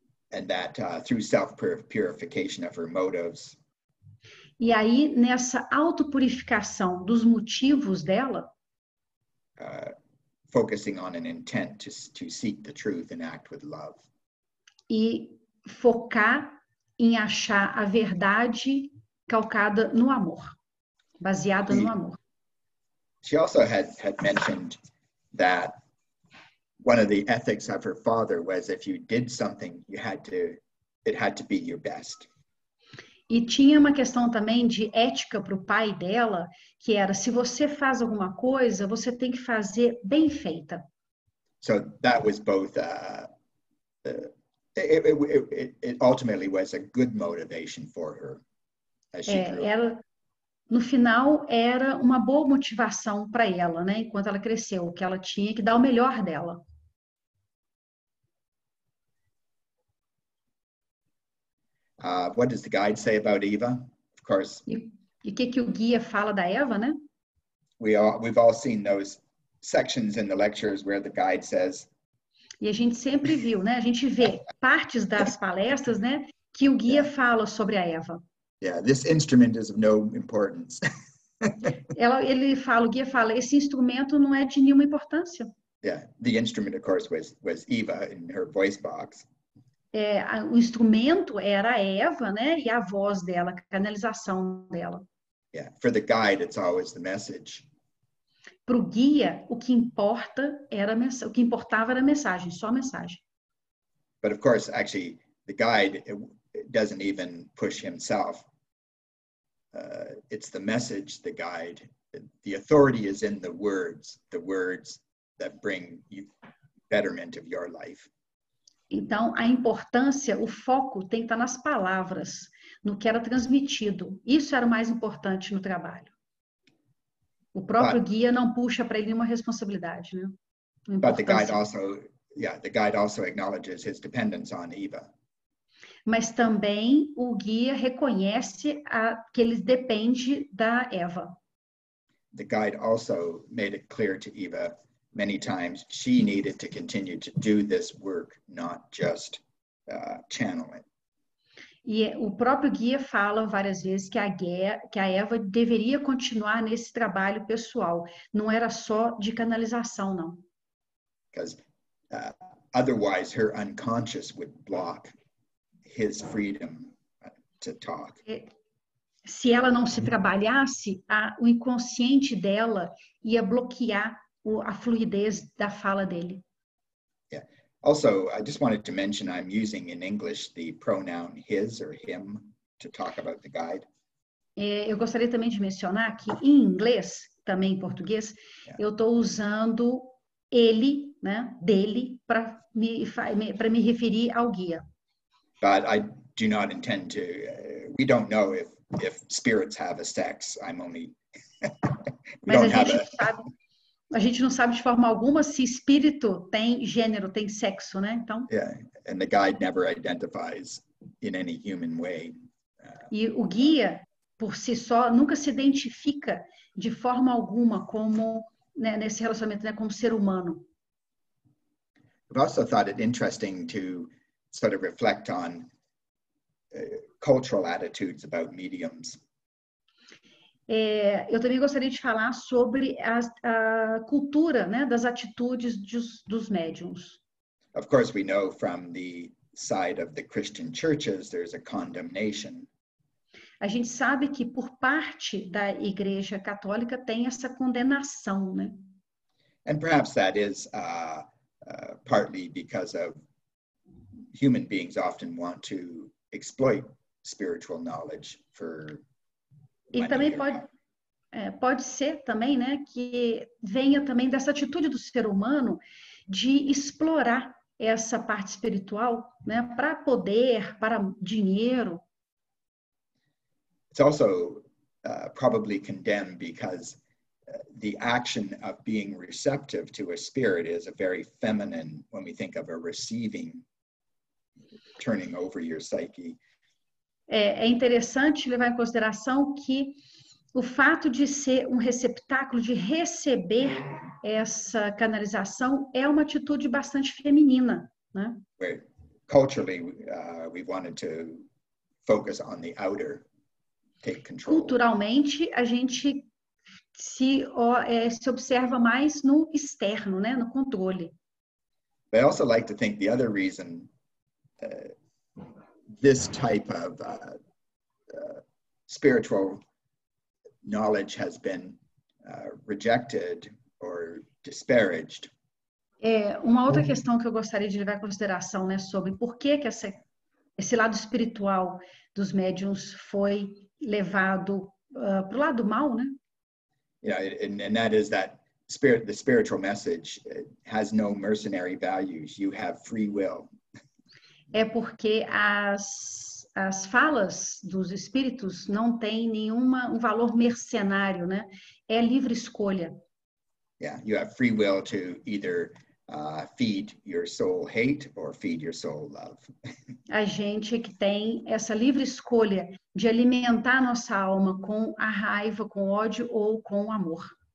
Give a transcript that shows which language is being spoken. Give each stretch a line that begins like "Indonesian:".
English: And that through self-purification of her motives.
Portuguese: E aí, nessa auto-purificação dos motivos dela.
English: Focusing on an intent to seek the truth and act with love.
Portuguese: E focar em achar a verdade calcada no amor. Baseada no amor.
English: She also had mentioned that. One of the ethics of her father was if you did something, it had to be your best.
Portuguese: E tinha uma questão também de ética para o pai dela, que era se você faz alguma coisa, você tem que fazer bem feita.
English: So that was both, it ultimately was a good motivation for her as she grew.
Portuguese: Ela, no final, era uma boa motivação para ela, né? Enquanto ela cresceu, que ela tinha que dar o melhor dela.
English: What does the guide say about Eva? Of course.
Portuguese: E que o guia fala da Eva, né?
English: We've all seen those sections in the lectures where the guide says.
Portuguese: E a gente sempre viu, né? A gente vê partes das palestras, né? Que o guia fala sobre a Eva.
English: Yeah, this instrument is of no importance.
Portuguese: o guia fala, esse instrumento não é de nenhuma importância.
English: Yeah, the instrument, of course, was Eva in her voice box.
Portuguese: O instrumento era a Eva, né? E a voz dela, a canalização dela.
English: Yeah, for the guide, it's always the message.
Portuguese: Pro guia, o que importava era a mensagem, só a mensagem.
English: But of course, actually, the guide doesn't even push himself. It's the message, the guide. The authority is in the words that bring you betterment of your life.
Portuguese: Então, a importância, o foco tem que estar nas palavras, no que era transmitido. Isso era o mais importante no trabalho. O próprio guia não puxa para ele nenhuma responsabilidade, né?
English: But the guide also, yeah, the guide also acknowledges his dependence on Eva.
Portuguese: Mas também o guia reconhece a, que ele depende da Eva.
English: The guide also made it clear to Eva many times she needed to continue to do this work, not just channel it.
Portuguese: E o próprio guia fala várias vezes que a Eva deveria continuar nesse trabalho pessoal. Não era só de canalização, não.
English: Because otherwise her unconscious would block his freedom to talk.
Portuguese: Se ela não se trabalhasse, o inconsciente dela ia bloquear a fluidez da fala dele.
English: Yeah. Also, I just wanted to mention I'm using in English the pronoun his or him to talk about the guide.
Portuguese: Eu gostaria também de mencionar que em inglês, também em português, yeah, eu estou usando ele, né, dele, para me referir ao guia.
English: But I do not intend to, we don't know if spirits have a sex, I'm only, we don't have a...
Portuguese: Sabe, a gente não sabe de forma alguma se espírito tem gênero, tem sexo, né, então...
English: Yeah, and the guide never identifies in any human way.
Portuguese: E o guia, por si só, nunca se identifica de forma alguma como, né, nesse relacionamento, né, como ser humano.
English: I've also thought it interesting to sort of reflect on cultural attitudes about mediums.
Portuguese: Eu também gostaria de falar sobre a cultura, né, das atitudes dos médiums.
English: Of course, we know from the side of the Christian churches, there's a condemnation.
Portuguese: A gente sabe que por parte da Igreja Católica tem essa condenação, né?
English: And perhaps that is partly because of human beings often want to exploit spiritual knowledge for money.
Portuguese: E também pode ser também, né, que venha também dessa atitude do ser humano de explorar essa parte espiritual, né, para poder, para dinheiro.
English: It's also probably condemned because the action of being receptive to a spirit is a very feminine when we think of a receiving, turning over your psyche.
Portuguese: É interessante levar em consideração que o fato de ser um receptáculo, de receber essa canalização, é uma atitude bastante feminina, né?
English: Where culturally, we wanted to focus on the outer, take control.
Portuguese: Culturalmente, a gente se observa mais no externo, né? No controle.
English: I also like to think the other reason this type of spiritual knowledge has been rejected or disparaged.
Portuguese: Uma outra questão que eu gostaria de levar em consideração, né, sobre por que que esse lado espiritual dos médiums foi levado pro lado mal, né?
English: Yeah, and that is that the spiritual message has no mercenary values. You have free will.
Portuguese: É porque as falas dos espíritos não têm nenhuma um valor mercenário, né? É livre escolha.
English: Yeah, you have free will to either feed your soul hate or feed your soul love.
Portuguese: A gente que tem essa livre escolha de alimentar nossa alma com a raiva, com ódio ou com amor.